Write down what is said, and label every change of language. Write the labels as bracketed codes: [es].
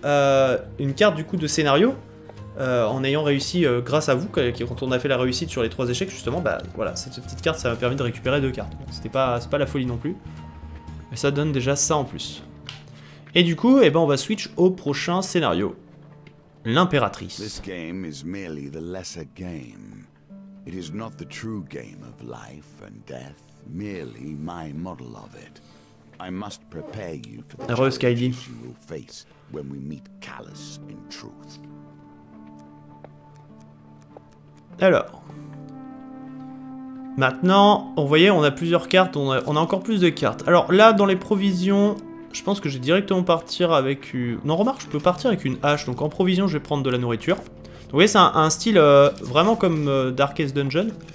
[fr] Une carte, du coup, de scénario. En ayant réussi grâce à vous, quand on a fait la réussite sur les 3 échecs, justement, bah voilà, cette petite carte, ça m'a permis de récupérer 2 cartes. C'est pas la folie non plus. Mais ça donne déjà ça en plus. Et du coup, on va switch au prochain scénario. [en] L'impératrice. This game is merely the lesser game. It is not the true game of life and death, merely my model of it. I must prepare you for the challenges you will face when we meet Callus in truth. [fr] Alors, maintenant, vous voyez, on a plusieurs cartes, on a encore plus de cartes. Alors là, dans les provisions, je pense que je vais directement partir avec une... Non, remarque, je peux partir avec une hache, donc en provision, je vais prendre de la nourriture. Vous voyez, c'est un style vraiment comme Darkest Dungeon.